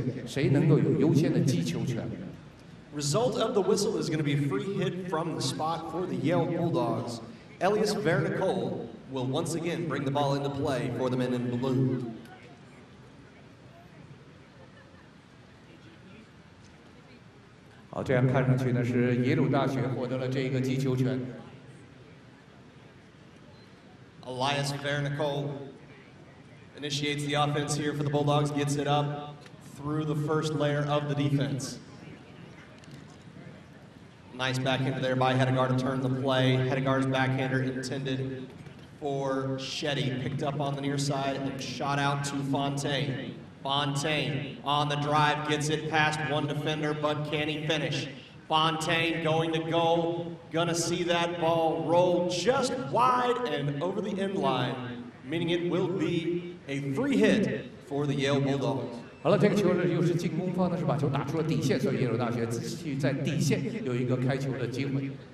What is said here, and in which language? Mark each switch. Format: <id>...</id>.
<zh>好了，那有哨音响起，那在马球比赛当中有哨音响起，大家会看到大钟计时将会的是暂停。那这个在防守方和进攻方，如果出现路线的问题呢，将会是有两位裁判决定到底谁犯规。假如说第一位裁判太接近马匹看不清楚的话，将会由最接近中场，也就是在所有马堆后面的裁判来决定到底这个路线，因为他呢更清楚的能看到这个路线是谁占据主动的路线，谁能够有优先的击球权。</zh> <en>Result of the whistle is going to be a free hit from the spot for the Yale Bulldogs. Elias Vernicol will once again bring the ball into play for the men in blue.</en> <zh>Oh, 这样看上去呢，是耶鲁大学获得了这一个击球权。</zh> <en>Elias Vernicol initiates the offense here for the Bulldogs, gets it up through the first layer of the defense. Nice backhander there by Hedegaard to turn the play. Hedegaard's backhander intended for Shetty. Picked up on the near side and shot out to Fontayn. Fontayn on the drive, gets it past one defender, but can he finish? Fontayn going to go, gonna see that ball roll just wide and over the end line, meaning it will be a free hit for the Yale Bulldogs.</en> <zh>好了，这个球呢又是进攻方呢，是把球打出了底线，所以耶鲁大学继续在底线有一个开球的机会。</zh>